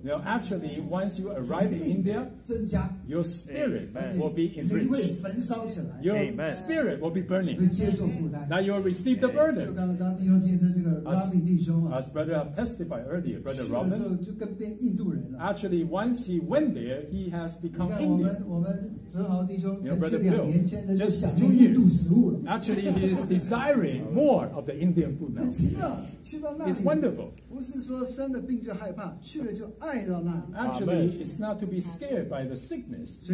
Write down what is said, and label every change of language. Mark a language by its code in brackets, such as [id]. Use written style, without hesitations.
[en] Now, actually, once you arrive in India, [zh] 增加, [en] your spirit will be enriched. Your spirit will be burning. Now you will receive the burden. [zh] 就刚刚弟兄见证这个Robin弟兄啊, [en] as Brother testified earlier, Brother Robin, [zh] 去了之后就跟变印度人了。 [en] Actually, once he went there, he has become Indian. [zh] 我们哲豪弟兄才去两年前的就想念印度食物了。 [en] Actually, he is desiring more of the Indian food now. It's wonderful. Actually, it's not to be scared by the sickness.